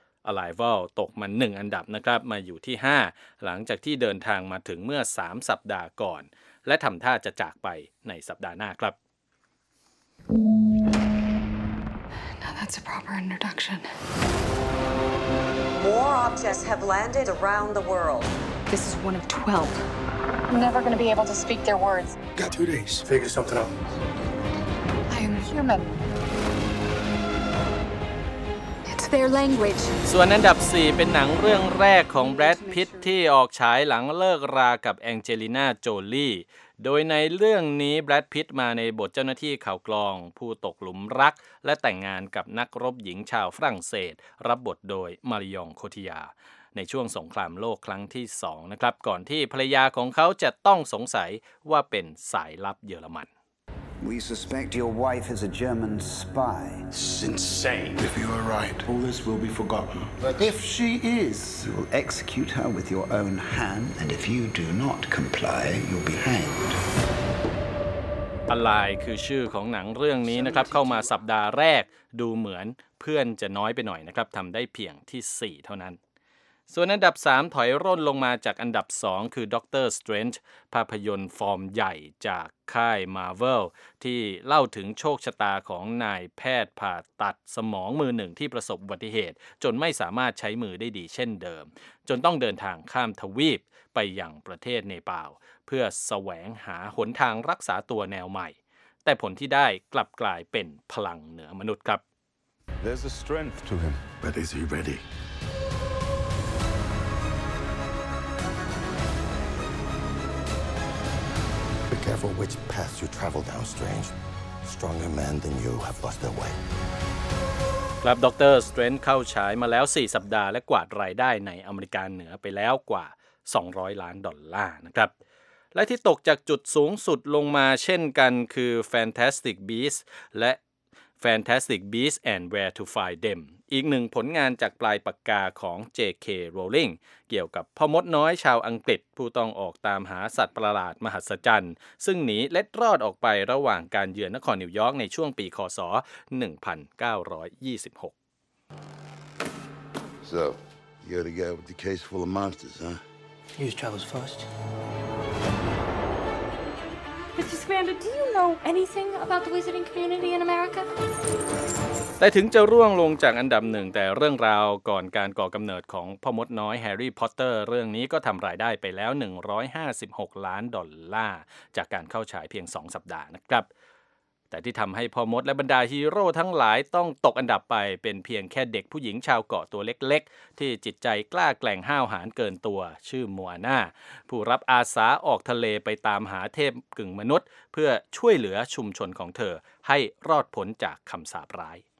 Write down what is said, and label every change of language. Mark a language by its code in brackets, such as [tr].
[th] Arrival ตกมา1อันดับนะครับมาอยู่ที่5หลังจากที่เดินทางมาถึงเมื่อ3สัปดาห์ก่อนและทำท่าจะจากไปในสัปดาห์หน้าครับ [en] Now that's a proper introductionMore objects have landed around the world. This is one of 12. I'm never going to be able to speak their words. Got 2 days. Figure something out. I am human. It's their language. [th] ส่วนอันดับ4เป็นหนังเรื่องแรกของแบรดพิตต์ที่ออกฉายหลังเลิกรากับแองเจลิน่าโจลี่โดยในเรื่องนี้แบรดพิตต์มาในบทเจ้าหน้าที่ข่าวกลองผู้ตกหลุมรักและแต่งงานกับนักรบหญิงชาวฝรั่งเศสรับบทโดยมาริยองโคติยาในช่วงสงครามโลกครั้งที่2นะครับก่อนที่ภรรยาของเขาจะต้องสงสัยว่าเป็นสายลับเยอรมัน [en] We suspect your wife is a German spy. It's insane. If you are right, all this will be forgotten. But if she is, you will execute her with your own hand, and if you do not comply, you'll be hanged. [th] Alive คือชื่อของหนังเรื่องนี้นะครับเข้ามาสัปดาห์แรกดูเหมือนเพื่อนจะน้อยไปหน่อยนะครับทำได้เพียงที่4เท่านั้น ส่วนอันดับ3ถอยร่นลงมาจากอันดับ2คือด็อกเตอร์สเตรนจ์ภาพยนตร์ฟอร์มใหญ่จากค่าย Marvel ที่เล่าถึงโชคชะตาของนายแพทย์ผ่าตัดสมองมือหนึ่งที่ประสบอุบัติเหตุจนไม่สามารถใช้มือได้ดีเช่นเดิมจนต้องเดินทางข้ามทวีปไปยังประเทศเนปาลเพื่อแสวงหาหนทางรักษาตัวแนวใหม่แต่ผลที่ได้กลับกลายเป็นพลังเหนือมนุษย์ครับ [en] There's a strength to him but is he ready For which path you travel down, Strange. Stronger men than you have lost their way. [th] ครับ Dr. Strange เข้าฉายมาแล้ว4สัปดาห์และกวาดรายได้ในอเมริกาเหนือไปแล้วกว่า200ล้านดอลลาร์นะครับและที่ตกจากจุดสูงสุดลงมาเช่นกันคือ Fantastic Beasts และ Fantastic Beasts and Where to Find Them อีกหนึ่งผลงานจากปลายปากกาของ J.K. Rowling เกี่ยวกับพ่อมดน้อยชาวอังกฤษผู้ต้องออกตามหาสัตว์ประหลาดมหัศจรรย์ซึ่งหนีเล็ดรอดออกไประหว่างการเยือนนครนิวยอร์กในช่วงปีค.ศ. [en] 1926 So, you're the guy with the case full of monsters, huh? He was travels first. Mr. Scamander, do you know anything about the wizarding community in America? [th] แต่ถึงจะร่วงลงจากอันดับหนึ่งแต่เรื่องราวก่อนการก่อกำเนิดของพ่อมดน้อยแฮร์รี่พอตเตอร์เรื่องนี้ก็ทำรายได้ไปแล้ว156ล้านดอลลาร์จากการเข้าฉายเพียง2สัปดาห์นะครับ แต่ที่ทำให้พ่อมดและบรรดาฮีโร่ทั้งหลายต้องตกอันดับไปเป็นเพียงแค่เด็กผู้หญิงชาวเกาะตัวเล็กๆที่จิตใจกล้าแกล่งห้าวหาญเกินตัวชื่อมัวนาผู้รับอาสาออกทะเลไปตามหาเทพกึ่งมนุษย์เพื่อช่วยเหลือชุมชนของเธอให้รอดพ้นจากคำสาปร้าย